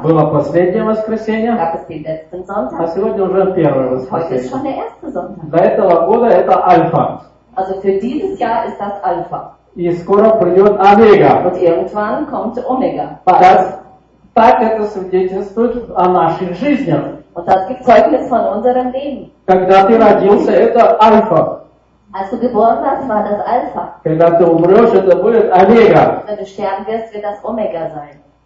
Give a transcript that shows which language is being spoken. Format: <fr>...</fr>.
<ru>Было последнее воскресенье,</ru> <de>gab es</de> <ru>а сегодня уже первое воскресенье. До этого года это Альфа.</ru> <de>Also für dieses Jahr ist das Alpha.</de> <ru>И скоро придет Омега.</ru> <de>Und irgendwann kommt Omega.</de> <ru>Так это свидетельствует о наших жизнях.</ru> <de>Und das gibt Zeugnis von unserem Leben.</de> <ru>Когда ты родился, это Альфа.</ru> <de>Als du geboren hast, war das Alpha.</de> <ru>Когда ты умрешь, это будет Омега.</ru> <de>Wenn du sterben wirst, wird das Omega sein.</de>